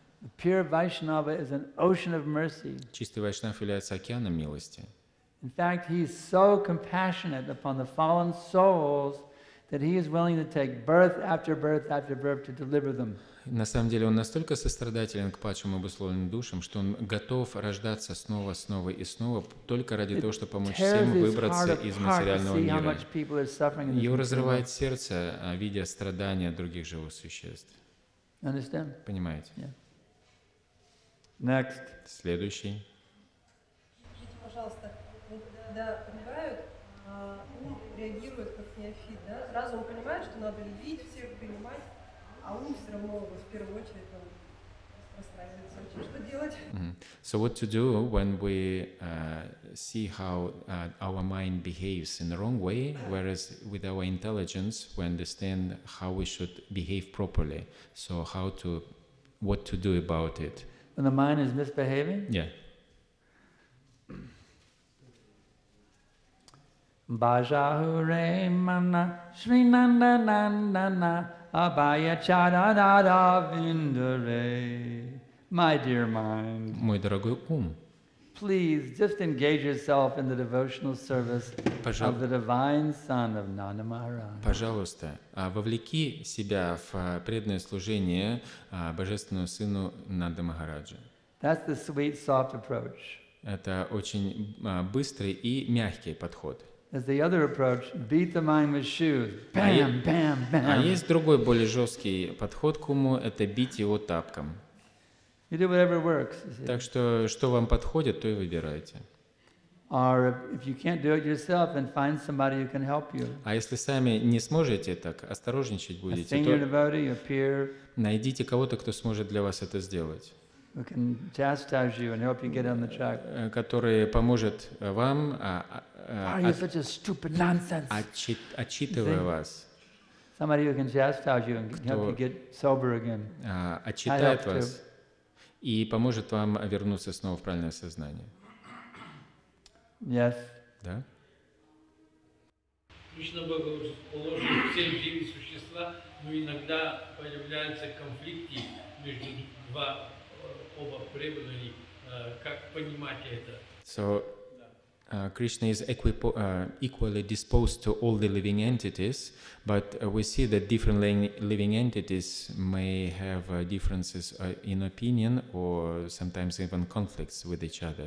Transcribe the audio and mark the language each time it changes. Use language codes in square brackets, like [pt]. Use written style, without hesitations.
[en] The pure Vaishnava is an ocean of mercy. [ru] Чистый вайшнав является океаном милости. [en] In fact, he is so compassionate upon the fallen souls that he is willing to take birth after birth after birth to deliver them. [ru] На самом деле он настолько сострадателен к падшим обусловленным душам, что он готов рождаться снова, снова и снова только ради того, чтобы помочь всем выбраться из материального мира. Его разрывает сердце, видя страдания других живых существ. [en] Understand? [ru] Понимаете? [en] Yeah. Next. [ru] Следующий. Скажите, пожалуйста, когда умирают, ум реагирует как неофит, да? Разум понимает, что надо любить всех, принимать, а ум все равно в первую очередь там расстраивается. Что делать? Mm-hmm. [en] So what to do when we see how our mind behaves in the wrong way, whereas with our intelligence we understand how we should behave properly. So how to, what to do about it? When the mind is misbehaving? Yeah. [bn] Bajahure mana Srinanda nandana Abhaya chadadada vindare. [en] My dear mind. [ru] Мой дорогой ум. [en] Please just engage yourself in the devotional service of the divine son of Nanda Maharaj. [ru] Пожалуйста, вовлеки себя в преданное служение божественному сыну Нанда Махараджа. [en] That's the sweet, soft approach. [ru] Это очень быстрый и мягкий подход. [en] As the other approach, beat the mind with shoes. Bam, bam, bam. [ru] А есть другой более жесткий подход к уму – это бить его тапком. [en] You do whatever works. [ru] Так что, что вам подходит, то и выбирайте. [en] Or if you can't do it yourself, then find somebody who can help you. [ru] А если сами не сможете, так осторожничать будете. [en] A senior devotee, a peer. [ru] Найдите кого-то, кто сможет для вас это сделать. [en] Who can chastise you and help you get on the track. [ru] Который поможет вам. [en] Why are you such a stupid nonsense? [ru] Отчитывая вас. [en] Somebody who can chastise you and help you get sober again. [ru] Отчитает вас и поможет вам вернуться снова в правильное сознание. [en] Yes. [ru] Да. Кришна Бхагаваджа положил всем живым существа, но иногда появляются конфликты между два оба преданными. Как понимать это? [en] So, Krishna is equally disposed to all the living entities, but we see that different living entities may have differences in opinion or sometimes even conflicts with each other.